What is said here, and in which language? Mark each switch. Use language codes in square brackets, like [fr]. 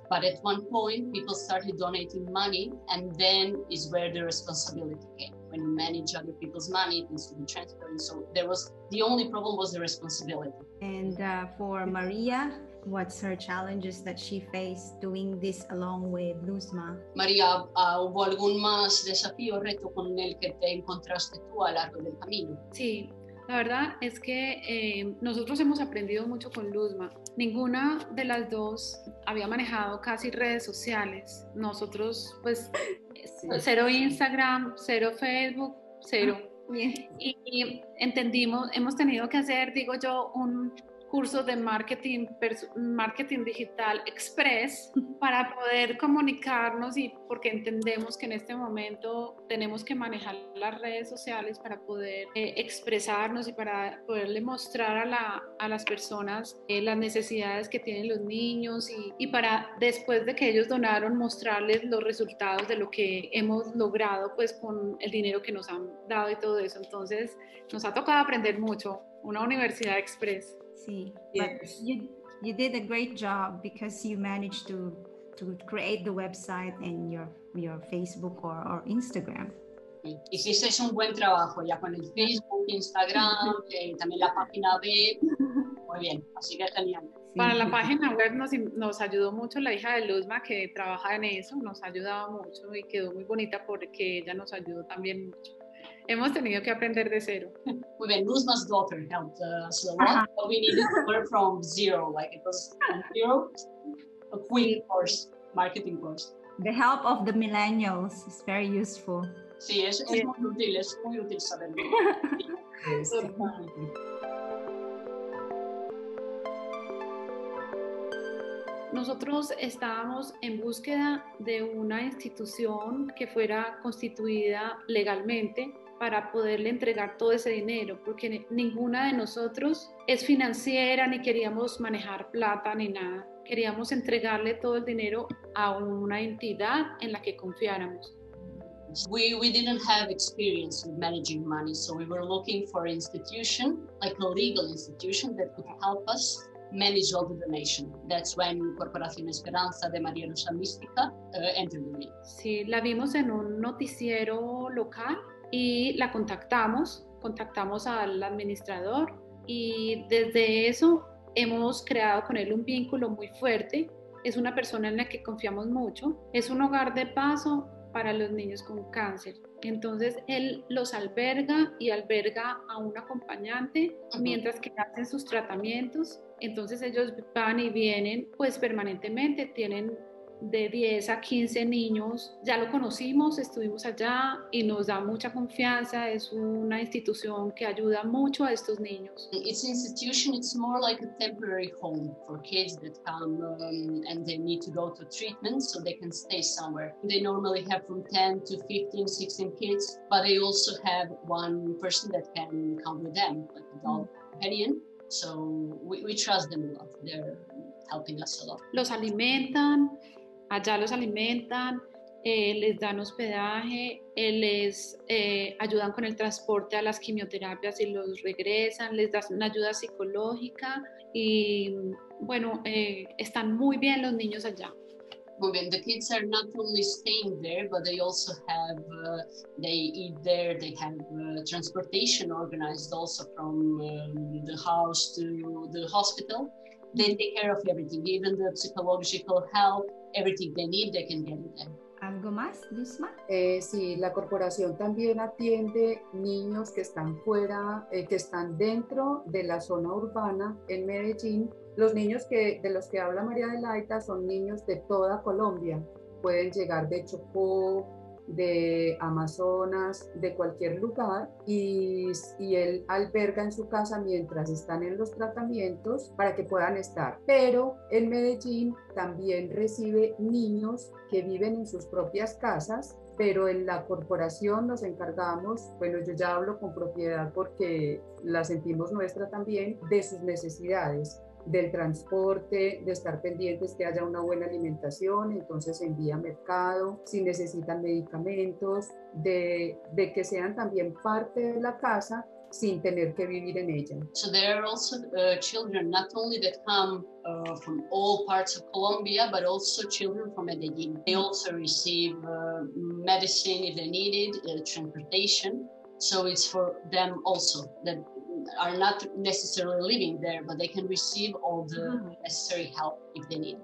[en] But at one point, people started donating money, and then is where the responsibility came. When you manage other people's money, it needs to be transferred. So there was the only problem was the responsibility. And for Maria, what's her challenges that she faced doing this along with Luzma? [es] Maria, ¿hubo algún más desafío o reto con el que te encontraste tú a lo largo del camino? Sí, la verdad es que nosotros hemos aprendido mucho con Luzma. Ninguna de las dos había manejado casi redes sociales. Nosotros, pues, cero Instagram, cero Facebook, cero. Y entendimos, hemos tenido que hacer, digo yo, un curso de marketing digital express para poder comunicarnos y porque entendemos que en este momento tenemos que manejar las redes sociales para poder expresarnos y para poderle mostrar a las personas las necesidades que tienen los niños y para después de que ellos donaron mostrarles los resultados de lo que hemos logrado pues con el dinero que nos han dado y todo eso. Entonces nos ha tocado aprender mucho, una universidad express. [en] See, yes. But you did a great job because you managed to create the website and your Facebook or Instagram. [es] Hiciste un buen trabajo ya con el Facebook, Instagram, también la página web. Muy bien, así que genial. Sí. Para la página web nos ayudó mucho la hija de Luzma que trabaja en eso, nos ayudaba mucho y quedó muy bonita porque ella nos ayudó también mucho. Hemos tenido que aprender de cero. Muy bien, Luzma's daughter helped us a lot, but we needed to learn from zero, like it was from zero, a queen course, marketing course. [en] The help of the millennials is very useful. [es] Sí, es muy útil, es muy útil saberlo. Nosotros estábamos en búsqueda de una institución que fuera constituida legalmente para poderle entregar todo ese dinero, porque ninguna de nosotros es financiera ni queríamos manejar plata ni nada. Queríamos entregarle todo el dinero a una entidad en la que confiáramos. [en] We didn't have experience with managing money, so we were looking for an institution, like a legal institution that could help us manage all the donation. That's when Corporación Esperanza de María Rosa Mística entered the game. [es] Sí, la vimos en un noticiero local. Y la contactamos al administrador y desde eso hemos creado con él un vínculo muy fuerte. Es una persona en la que confiamos mucho. Es un hogar de paso para los niños con cáncer. Entonces él los alberga y alberga a un acompañante mientras que hacen sus tratamientos. Entonces ellos van y vienen pues permanentemente, tienen de 10 a 15 niños, ya lo conocimos, estuvimos allá y nos da mucha confianza, es una institución que ayuda mucho a estos niños. [en] It's an institution, it's more like a temporary home for kids that come and they need to go to treatment so they can stay somewhere. They normally have from 10 to 15, 16 kids, but they also have one person that can come with them, like a dog companion. So we trust them a lot, they're helping us a lot. [es] Los alimentan. Allá los alimentan, les dan hospedaje, les ayudan con el transporte a las quimioterapias y los regresan, les dan una ayuda psicológica y bueno, están muy bien los niños allá. Muy bien, [en] the kids are not only staying there, but they also have, they eat there, they have transportation organized also from the house to the hospital. They take care of everything, even the psychological help, everything they need, they can get it there. [es] ¿Algo más, Luzma? Sí, la corporación también atiende niños que están fuera, que están dentro de la zona urbana en Medellín. Los niños que, de los que habla María Adelaida son niños de toda Colombia. Pueden llegar de Chocó, de Amazonas, de cualquier lugar y él alberga en su casa mientras están en los tratamientos para que puedan estar. Pero en Medellín también recibe niños que viven en sus propias casas, pero en la corporación nos encargamos, bueno, yo ya hablo con propiedad porque la sentimos nuestra también, de sus necesidades. Del transporte, de estar pendientes que haya una buena alimentación, entonces envía mercado, si necesitan medicamentos, de que sean también parte de la casa, sin tener que vivir en ella. [en] So there are also children not only that come from all parts of Colombia, but also children from Medellín. They also receive medicine if they need it, transportation. So it's for them also that are not necessarily living there, but they can receive all the necessary help if they need.